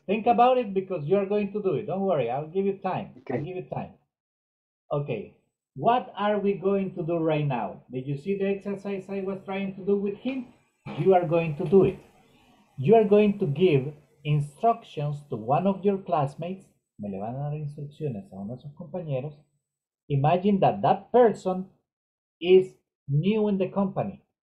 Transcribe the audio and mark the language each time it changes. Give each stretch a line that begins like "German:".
English: Think about it because you're going to do it. Don't worry. I'll give you time. Okay. I'll give you time. Okay. What are we going to do right now? Did you see the exercise I was trying to do with him? You are going to do it. You are going to give instructions to one of your classmates.
Spanish: Me le van a dar instrucciones a uno de sus compañeros.
English: Imagine that that person is new in the company.